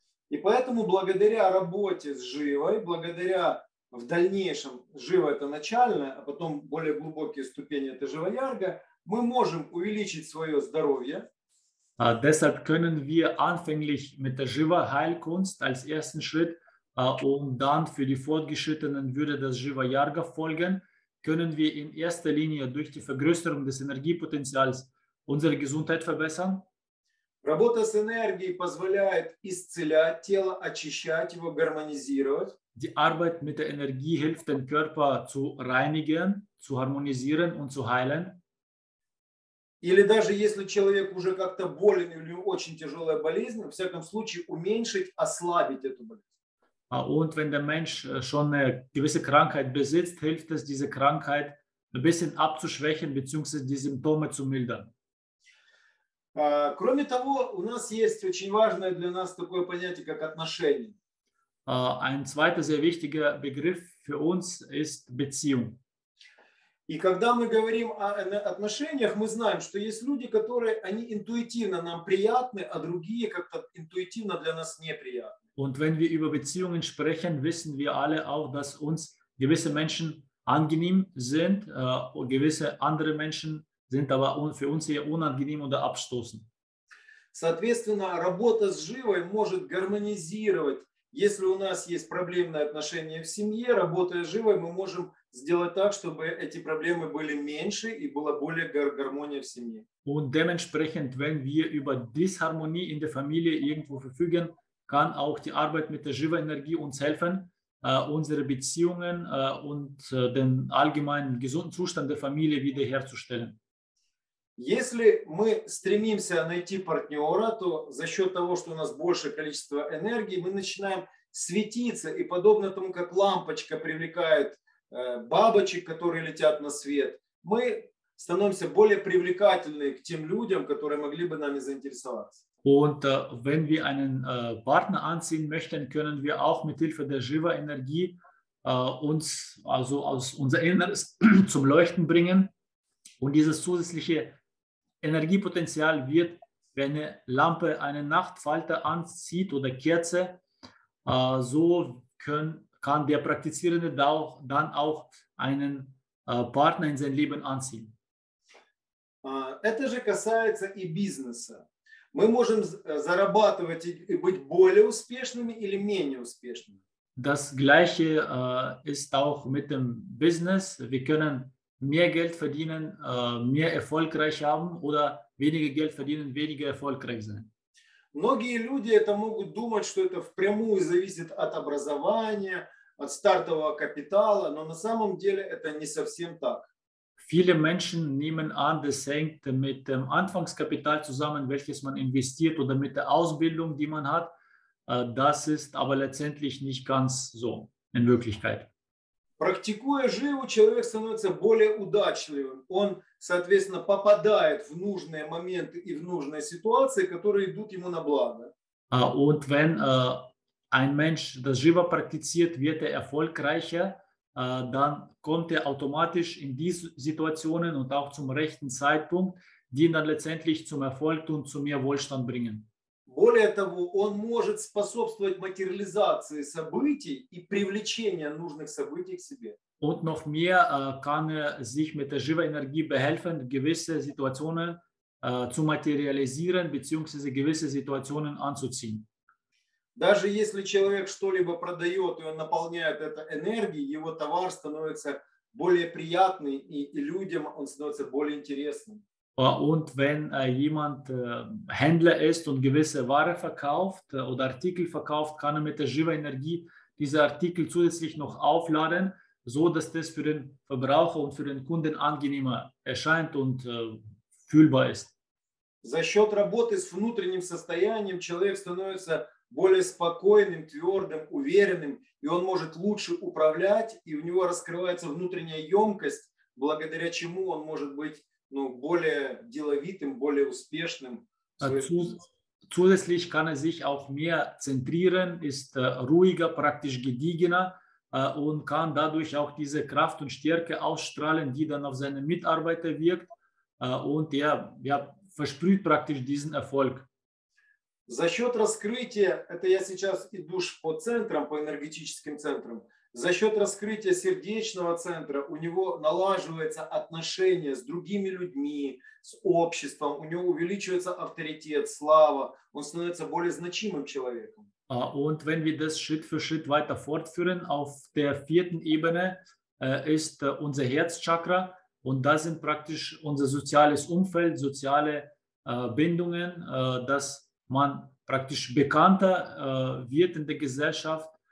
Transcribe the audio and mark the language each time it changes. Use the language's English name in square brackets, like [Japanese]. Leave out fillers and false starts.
[Russian] И поэтому благодаря работе с живой, благодаря в дальнейшем, живо это начальное, а потом более глубокие ступени это живоярга, мы можем увеличить свое здоровье. [German] Deshalb können wir anfänglich mit der Shiva-Heilkunst als ersten Schritt und dann für die Fortgeschrittenen würde das Shiva-Yarga folgen, können wir in erster Linie durch die Vergrößerung des Energiepotenzials unsere Gesundheit verbessern. [Russian] Работа с энергией позволяет исцелять тело, очищать его, гармонизировать. [German] Die Arbeit mit der Energie hilft dem Körper zu reinigen, zu harmonisieren und zu heilen. [Russian] Или даже если человек уже как-то болен или у него очень тяжелая болезнь, во всяком случае уменьшить, ослабить эту болезнь. [German] Und wenn der Mensch schon eine gewisse Krankheit besitzt, hilft es, diese Krankheit ein bisschen abzuschwächen bzw. die Symptome zu mildern. [Russian] Кроме того, у нас есть очень важное для нас такое понятие, как отношения. [German] Ein zweiter sehr wichtiger Begriff für uns ist Beziehung. [Russian] И когда мы говорим о отношениях, мы знаем, что есть люди, которые они интуитивно нам приятны, а другие как-то интуитивно для нас неприятны. [German] Und wenn wir über Beziehungen sprechen, wissen wir alle auch, dass uns gewisse Menschen angenehm sind, und gewisse andere Menschen sind aber für uns eher unangenehm oder abstoßend. [Russian] Соответственно, работа с живой может гармонизировать. Если у нас есть проблемные отношения в семье, работая с живой, мы можем сделать так, чтобы эти проблемы были меньше и была более гармония в семье. [German] Und dementsprechend, wenn wir über Disharmonie in der Familie irgendwo verfügen, kann auch die Arbeit mit der Shiva-Energie uns helfen, unsere Beziehungen und den allgemeinen gesunden Zustand der Familie wiederherzustellen. [Russian] Если мы стремимся найти партнера, то за счет того, что у нас большее количество энергии, мы начинаем светиться, и подобно тому, как лампочка привлекает бабочек, которые летят на свет, мы становимся более привлекательны к тем людям, которые могли бы нами заинтересоваться. [German] Und wenn wir einen Partner anziehen möchten, können wir auch mit Hilfe der Shiva-Energie uns also aus unser Inneres zum Leuchten bringen. Und dieses zusätzliche Energiepotenzial wird, wenn eine Lampe eine Nachtfalter anzieht oder Kerze, kann der Praktizierende dann auch einen Partner in sein Leben anziehen. [Russian] Это же касается и бизнеса. Мы можем зарабатывать и быть более успешными или менее успешными. [German] Das gleiche ist auch mit dem Business. Wir können mehr Geld verdienen, mehr erfolgreich haben oder weniger Geld verdienen, weniger erfolgreich sein. [Russian] Многие люди это могут думать, что это впрямую зависит от образования, от стартового капитала, но на самом деле это не совсем так. [German] Viele Menschen nehmen an, das hängt mit dem Anfangskapital zusammen, welches man investiert oder mit der Ausbildung, die man hat. Das ist aber letztendlich nicht ganz so in Wirklichkeit. [Russian] Практикуя живу, человек становится более удачливым. Он, соответственно, попадает в нужные моменты и в нужные ситуации, которые идут ему на благо. [German] Und wenn ein Mensch das Shiva praktiziert, wird er erfolgreicher, dann kommt er automatisch in diese Situationen und auch zum rechten Zeitpunkt, die ihn dann letztendlich zum Erfolg und zu mehr Wohlstand bringen. [Russian] Более того, он может способствовать материализации событий и привлечению нужных событий к себе. [German] Und noch mehr kann er sich mit der Shiva-Energie behelfen, gewisse Situationen zu materialisieren bzw. gewisse Situationen anzuziehen. [Russian] Даже если человек что-либо продает, и он наполняет это энергией, его товар становится более приятный, и людям он становится более интересным. [German] Und wenn jemand Händler ist und gewisse Ware verkauft oder Artikel verkauft, kann er mit der Shiva-Energie diese Artikel zusätzlich noch aufladen, so dass das für den Verbraucher und für den Kunden angenehmer erscheint und fühlbar ist. [Russian] За счет работы с внутренним состоянием человек становится более спокойным, твердым, уверенным, и он может лучше управлять, и у него раскрывается внутренняя емкость, благодаря чему он может быть, ну, более деловитым, более успешным. [German] Zusätzlich kann er sich auch mehr zentrieren, ist ruhiger, praktisch gediegener und kann dadurch auch diese Kraft und Stärke ausstrahlen, die dann auf seine Mitarbeiter wirkt und er versprüht praktisch diesen Erfolg. [Russian] За счет раскрытия, это я сейчас иду по центрам, по энергетическим центрам, за счет раскрытия сердечного центра у него налаживается отношение с другими людьми, с обществом, у него увеличивается авторитет, слава, он становится более значимым человеком. [German] Und wenn wir das Schritt für Schritt weiter fortführen, auf der vierten Ebene ist unser Herzchakra und das sind praktisch unser soziales Umfeld, soziale Bindungen, das man praktisch bekannter wird in der Gesellschaft,